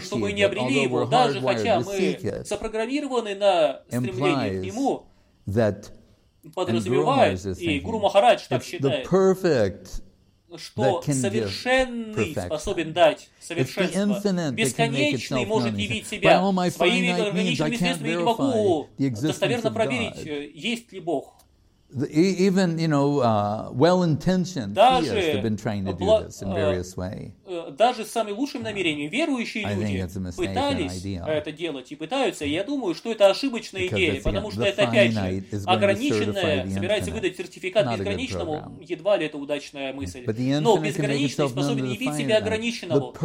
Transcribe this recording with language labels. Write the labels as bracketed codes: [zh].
[ru] что мы не обрели его, даже хотя мы запрограммированы на стремление к нему, подразумевает, и Гуру Махарадж так считает, что совершенный способен дать совершенство. Бесконечный может явить себя своими ограниченными средствами, я не могу достоверно проверить, есть ли Бог. [en] Even you know well-intentioned theists have been trying to do this in various ways. [ru] Даже с самыми лучшими намерениями верующие люди пытались это делать и пытаются. И я думаю, что это ошибочная идея, потому что это опять же ограниченное собирается выдать сертификат безграничному. Едва ли это удачная мысль. Но безграничный способен явить себя ограниченному.